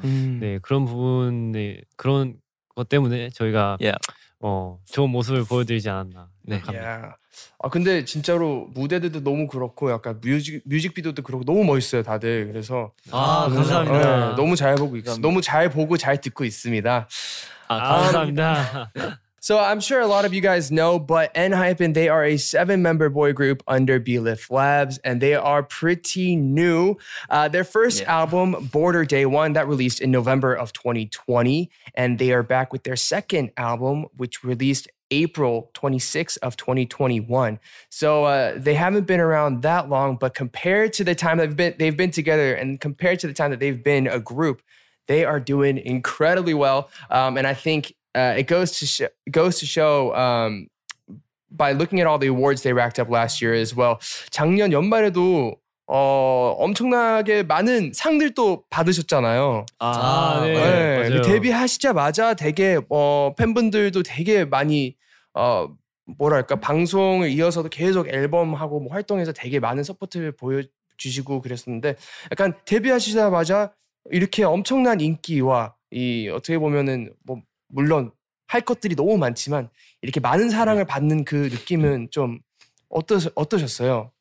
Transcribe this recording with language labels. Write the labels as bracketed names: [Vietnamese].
[Korean] 네 그런 부분에 그런 것 때문에 저희가 좋은 모습을 보여드리지 않았나 생각합니다. 근데 진짜로 무대들도 너무 그렇고 약간 뮤직비디오도 그렇고 너무 멋있어요 다들. 그래서 감사합니다. 네, 너무 잘 보고 있습니다. 너무 잘 보고 잘 듣고 있습니다. 감사합니다. [English] So I'm sure a lot of you guys know, but ENHYPEN, they are a 7-member boy group under B-Lift Labs, and they are pretty new. Their first album, Border Day One, that released in November of 2020, and they are back with their second album, which released April 26th of 2021. So they haven't been around that long, but compared to the time that they've been together and compared to the time that they've been a group, they are doing incredibly well. And I think it goes to show by looking at all the awards they racked up last year as well. [Korean] 작년 연말에도 엄청나게 많은 상들도 받으셨잖아요. 네. 데뷔하시자마자 되게 팬분들도 되게 많이 뭐랄까 방송을 이어서도 계속 앨범하고 뭐 활동해서 되게 많은 서포트를 보여주시고 그랬었는데 약간 데뷔하시자마자 이렇게 엄청난 인기와 이 어떻게 보면은 뭐 물론 할 것들이 너무 많지만 이렇게 많은 사랑을 받는 그 느낌은 좀 어떠셨어요?